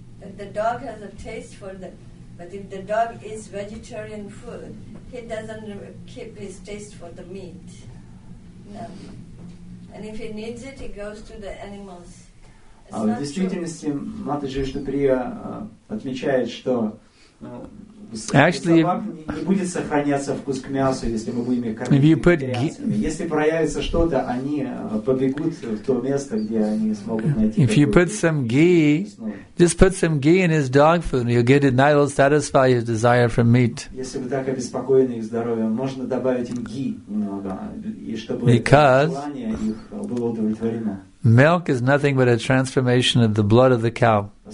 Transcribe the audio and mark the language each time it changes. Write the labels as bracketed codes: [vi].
[en] That the dog has a taste for the. But if the dog eats vegetarian food, he doesn't keep his taste for the meat. No. And if he needs it, he goes to the animals. [ru] А в действительности Матаджи Штаприя отмечает, что [en] actually, [ru] собак не будет сохраняться вкус к мясу, если мы будем их кормить вегетарианцами. Если проявится что-то, они побегут в то место, где они смогут найти. [en] If you put some ghee, just put some ghee in his dog food, you'll get it. That will satisfy his desire for meat. [ru] Если вы так обеспокоены их здоровьем, можно добавить им ghee немного, и чтобы [en] Because [ru] желание их было удовлетворено. [en] Milk is nothing but a transformation of the blood of the cow.